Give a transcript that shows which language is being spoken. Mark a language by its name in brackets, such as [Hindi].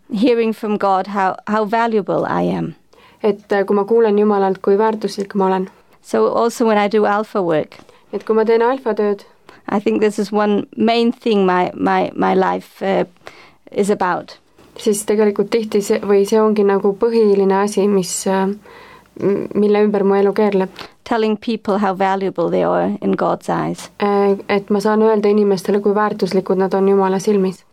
[English] Hearing from God how valuable I am. [Estonian] Et kui ma kuulen Jumalalt, kui väärtuslik ma olen. [English] So also when I do alpha work. [Estonian] Et kui ma teen alfa tööd. [English] I think this is one main thing my life is about. [Estonian] Siis tegelikult tihti see, või see ongi nagu põhiline asi, mis mille ümber mu elu keerleb. [English] Telling people how valuable they are in God's eyes. [Estonian] Et ma saan öelda inimestele, kui väärtuslikud nad on Jumala silmis.